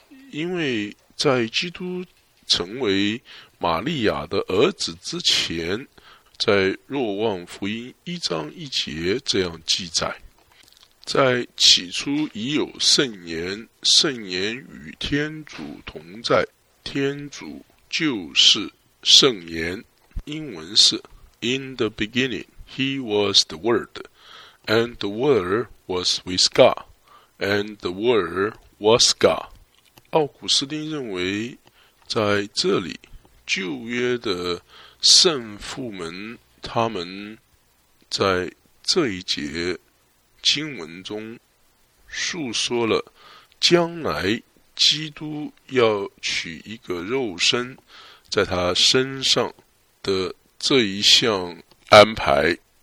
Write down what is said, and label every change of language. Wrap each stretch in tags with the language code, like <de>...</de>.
<zh>因为在基督成为玛利亚的儿子之前，在若望福音1章1节这样记载，在起初已有圣言，圣言与天主同在，天主就是圣言。英文是</zh> <en>In the beginning he was the word, and the word was with God, and the word was God。</en> <zh>奥古斯丁认为，在这里旧约的圣父们，他们在这一节经文中述说了将来基督要取一个肉身在他身上的这一项安排。</zh>